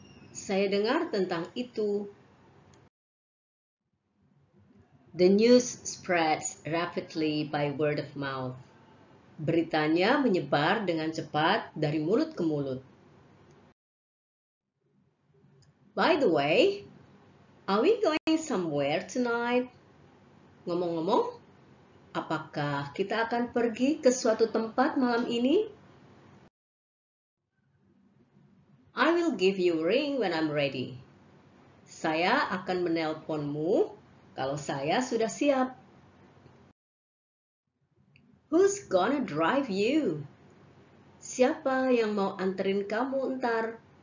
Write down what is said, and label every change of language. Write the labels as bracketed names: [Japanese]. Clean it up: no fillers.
[Indonesian] Saya dengar tentang itu. [English] The news spreads rapidly by word of mouth. [Indonesian] Beritanya menyebar dengan cepat dari mulut ke mulut. [English] By the way, are we going somewhere tonight? [Indonesian] Ngomong-ngomong, apakah kita akan pergi ke suatu tempat malam ini? [English] I will give you a ring when I'm ready. [Indonesian] Saya akan menelponmu kalau saya sudah siap. [English] Who's gonna drive you? [Indonesian] Siapa yang mau anterin kamu ntar?